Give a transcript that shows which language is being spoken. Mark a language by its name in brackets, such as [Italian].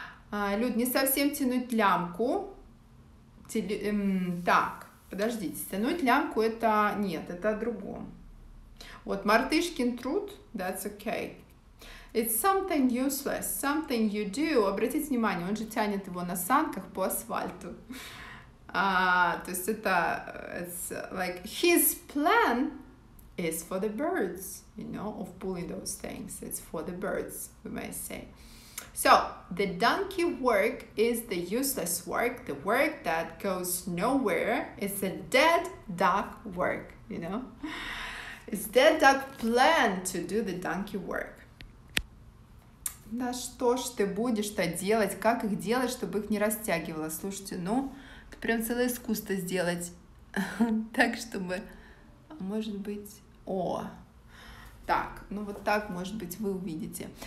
[Russian] Люд, не совсем тянуть лямку. Так, подождите, тянуть лямку это нет, это о другом. Вот Мартышкин труд, [English] that's okay. It's something useless, something you do. [Russian] Обратите внимание, он же тянет его на санках по асфальту. То есть это, [English] it's like, his plan is for the birds, you know, of pulling those things. It's for the birds, we may say. So, the donkey work is the useless work, the work that goes nowhere. It's a dead duck work, you know. It's dead duck plan to do the donkey work. [Russian] Да что ж ты будешь-то делать? Как их делать, чтобы их не растягивало? Слушайте, ну, это прям целое искусство сделать. Так, чтобы, может быть, о... Так, ну вот так, может быть, вы увидите.